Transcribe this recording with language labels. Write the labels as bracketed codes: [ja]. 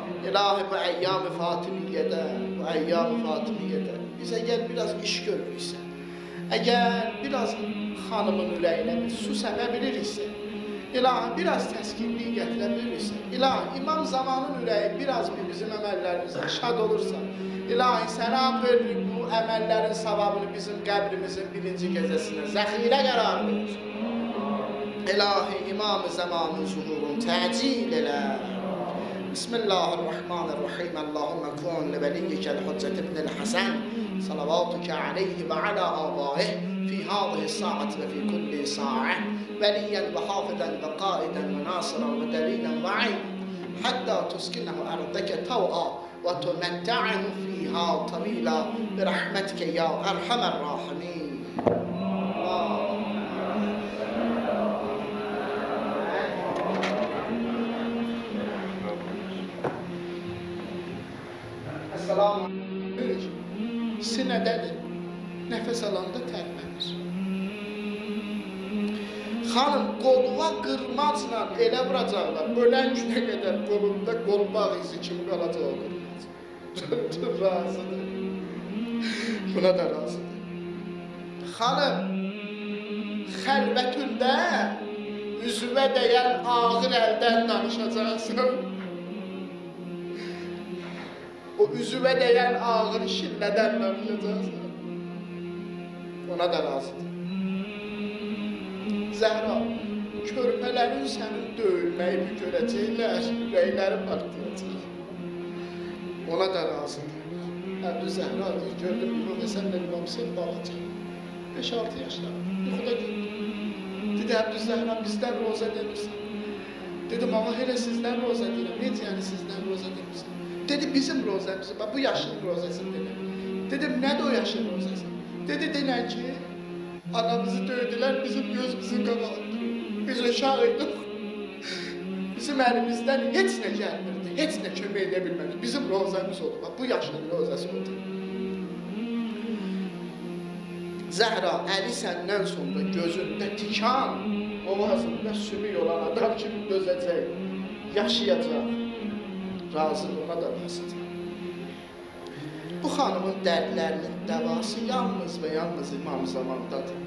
[az] İlahi, bu əyyam-ı Fatimiyyədə, bu əyyam-ı Fatimiyyədə biz əgər biraz iş görürüksə, əgər biraz xanımın ürəyinə biz su səpə biliriksə, İlahi, biraz təskinliyi gətirə biliriksə, İlahi, imam zamanın ürəyi biraz bir bizim əməllərimizə şad olursa, İlahi, sənə verir bu əməllərin savabını bizim qəbrimizin birinci gecəsinə zəxirə qərar verir. İlahi, imam-ı zamanın zuhurun təcil elə. [ar] بسم الله الرحمن الرحيم اللهم كن لوليك الحجة ابن الحسن صلواتك عليه وعلى آبائه في هذه الساعة وفي كل ساعة وليا وحافظا وقائدا وناصرا ودليلا معي حتى تسكنه أرضك طوعا وتمتعه فيها طويلا برحمتك يا أرحم الراحمين. السلام سنة دادن نفس alanda tərpənir. [az] Xanım qoluğa qırmacla elə vuracaqlar, ölən günə qədər qolunda qolbağ izi kimi qalacaq o qırmacaq. Razıdır. Buna da razıdır. Xanım, xəlvətündə üzvə dəyən ağır əldən danışacaqsın. O üzvə dəyən ağır şillədən danışacaqsın. Ona da lazımdır. Zəhra, körpələrin sənin döyülməyini görəcəklər, rəyləri partlayacaq. Ona da lazımdır. Əbdü Zəhra, gördüm, bu məsələ İmamsin balaca. 5-6 yaşlar, yuxuda gördüm. Dedi, Əbdü Zəhra, bizdən roza demirsən. Dedim, ama hele sizdən roza demirsən. Necə yəni sizdən roza demirsən? Dedi, bizim rozamız, bak bu yaşın rozası dedi. Dedim, nədir o yaşın rozası? Dedi, denən ki, anamızı döydülər, bizim gözümüzün qabağında. Biz uşaq idik. Bizim əlimizdən heç nə gəlmirdi, heç nə kömək edə bilmədi. Bizim rozamız oldu, bak, bu yaşın rozası oldu. Zəhra, əli səndən sonra gözündə tikan, boğazında sümük olan adam kimi dözəcək, yaşayacaq. Razı ona da razıdır. Bu xanımın dərdlərinin dəvası yalnız və yalnız İmam-ı Zamandadır.